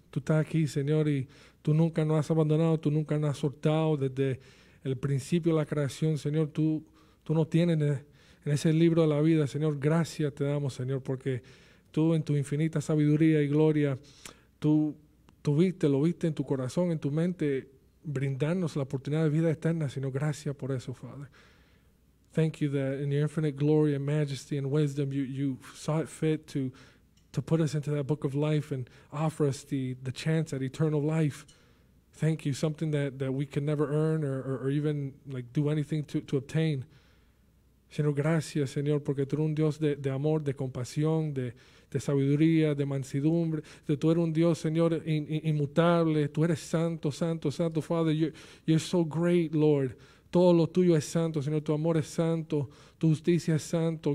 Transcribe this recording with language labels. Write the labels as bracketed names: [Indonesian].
[Spanish] Tú estás aquí, Señor, y tú nunca nos has abandonado, tú nunca nos has soltado desde el principio de la creación, Señor. Tú nos tienes en ese libro de la vida, Señor. Gracias te damos, Señor, porque tú en tu infinita sabiduría y gloria, tú lo viste en tu corazón, en tu mente, brindarnos la oportunidad de vida eterna, Señor. Gracias por eso, Father. [English] Thank you that in your infinite glory and majesty and wisdom, you saw it fit to put us into that book of life and offer us the chance at eternal life. Thank you, something that we can never earn or even like do anything to obtain. [Spanish] Señor, gracias, Señor, porque tú eres un Dios de amor, de compasión, de sabiduría, de mansedumbre. Tú eres un Dios, Señor, inmutable. Tú eres santo, santo, santo, Father. [English] You're so great, Lord. [Spanish] Todo lo tuyo es santo, Señor. Tu amor es santo. Tu justicia es santo.